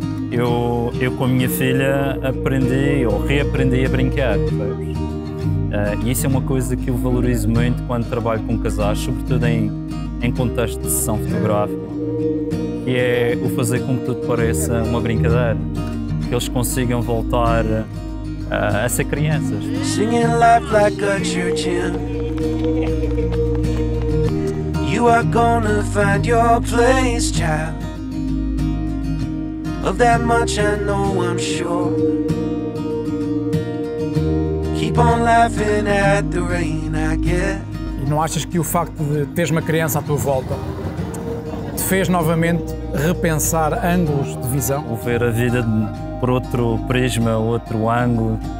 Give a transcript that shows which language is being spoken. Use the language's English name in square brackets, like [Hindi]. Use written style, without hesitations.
[Portuguese] Eu com a minha filha aprendi ou reaprendi a brincar, sabes? E isso é uma coisa que eu valorizo muito quando trabalho com casais, sobretudo em contexto de sessão fotográfica, que é o fazer com que tudo pareça uma brincadeira, que eles consigam voltar a ser crianças. [English] Singing life like a children. You are gonna find your place, child. Of that much I know, I'm sure. Keep on laughing at the rain, I guess. [Portuguese] E não achas que o facto de teres uma criança à tua volta te fez novamente repensar ângulos de visão? Ou ver a vida por outro prisma, outro ângulo?